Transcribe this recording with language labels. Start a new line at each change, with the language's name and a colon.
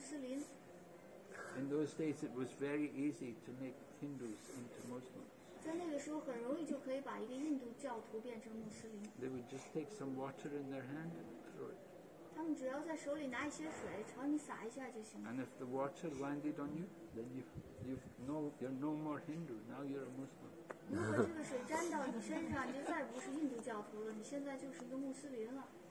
Chinese: 而且他们威胁每一个人，如果你们再敢这样做，再敢这样大声做kirtan的话，我们就让你们每一个人都成为穆斯林。
English: In those days, it was very easy to make Hindus into Muslims.
Chinese: 在那个时候，很容易就可以把一个印度教徒变成穆斯林。
English: They would just take some water in their hand and throw it.
Chinese: 他们只要在手里拿一些水，朝你撒一下就行了。
English: And if the water landed on you, then you're no more Hindu. Now you're a Muslim.
Chinese: 如果这个水沾到你身上，你就再也不是印度教徒了，你现在就是一个穆斯林了。